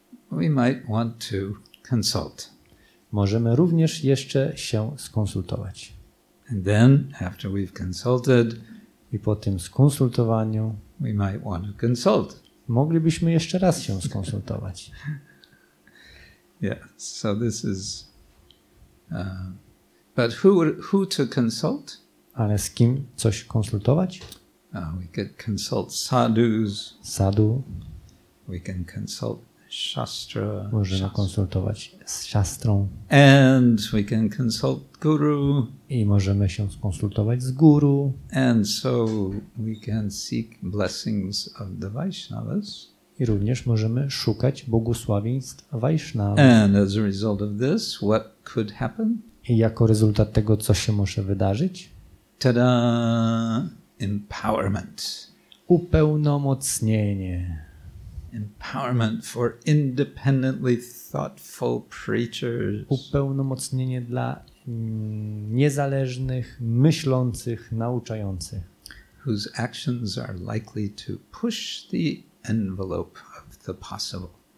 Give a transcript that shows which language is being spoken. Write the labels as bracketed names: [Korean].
[English] we might want to consult. [Polish] Możemy również jeszcze się skonsultować. [English] And then after we've consulted, [Polish] i po tym skonsultowaniu, [English] we might want to consult. [Polish] Moglibyśmy jeszcze raz się skonsultować. [English] Yeah, so this is but who to consult? [Polish] Ale z kim coś konsultować? [English] We could consult sadhus. [Polish] Sadhu. [English] We can consult shastra. [Polish] Możemy konsultować z siastrą. [English] And we can consult guru. [Polish] I możemy się skonsultować z guru. [English] And so we can seek blessings of the Vaishnavas. [Polish] I również możemy szukać błogosławieństw Vaishnava. [English] And as a result of this, what could happen? [Polish] I jako rezultat tego, co się może wydarzyć? [English] Ta-da! Empowerment. [Polish] Upełnomocnienie. [English] Empowerment for independently thoughtful preachers. [Polish] Upełnomocnienie dla niezależnych, myślących, nauczających. [English] Whose actions are likely to push the envelope of the possible.